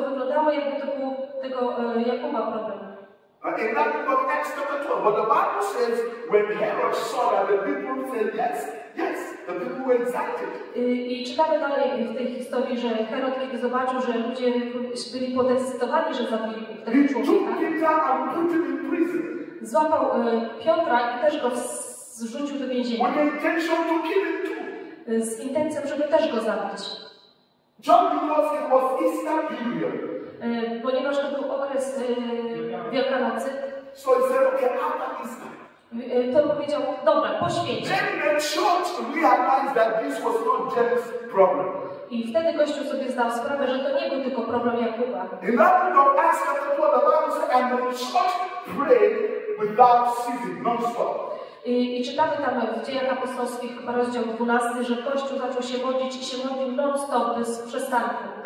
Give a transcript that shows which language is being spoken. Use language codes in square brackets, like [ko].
[pl] wyglądało, jakby to był tego Jakuba problem. [en] In that book, Acts chapter 12, but the Bible says when Herod saw that the people said yes, yes, the people were excited. [pl] I czytamy dalej w tej historii, że Herod, kiedy zobaczył, że ludzie byli podekscytowani, że zabili tego człowieka, złapał Piotra i też go zrzucił do więzienia. [en] With intention to kill him too. [pl] Z intencją, żeby też go zabić. [en] John, because it was Easter period. [pl] Ponieważ to był okres Wielkanocy, [en] so said, okay, after Easter. [pl] To powiedział, dobra, po święcie. [en] Then the church realized that this was not James' problem. [pl] I wtedy Kościół sobie zdał sprawę, że to nie był tylko problem Jakuba. [en] In that book, Acts chapter 12, and the church prayed without ceasing, non-stop. [pl] I czytamy tam w Dziejach Apostolskich, chyba rozdział 12, że Kościół zaczął się modlić i się modlił non-stop, bez przestanku.